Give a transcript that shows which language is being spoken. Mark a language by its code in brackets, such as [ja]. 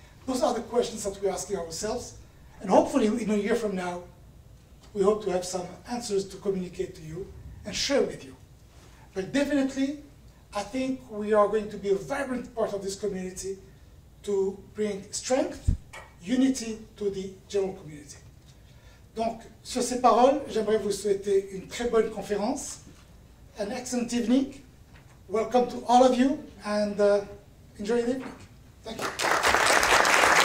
[en] Those are the questions that we're asking ourselves. And hopefully, in a year from now, we hope to have some answers to communicate to you and share with you. But definitely, I think we are going to be a vibrant part of this community to bring strength, unity to the general community. [fr] Donc, sur ces paroles, j'aimerais vous souhaiter une très bonne conférence, [en] an excellent evening. Welcome to all of you, and enjoy the evening. Thank you.